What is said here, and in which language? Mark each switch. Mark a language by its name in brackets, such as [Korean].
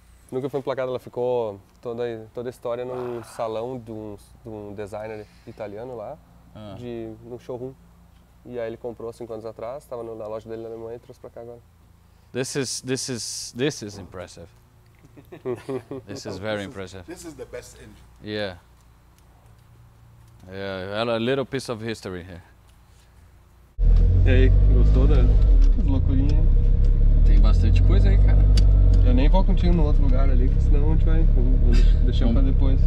[Portuguese] Nunca foi emplacada, ela ficou toda a história num salão de um designer italiano lá. De um showroom. E aí ele comprou 5 anos atrás, estava na loja dele na Alemanha e trouxe para cá agora. [English] This is impressive. This is very impressive. This is the best engine. Yeah. Yeah, well, a little piece of history here. [Portuguese] E aí, gostou da loucurinha? Tem bastante coisa aí, cara. Eu nem vou contigo no outro lugar ali, que senão a gente vai deixar para depois.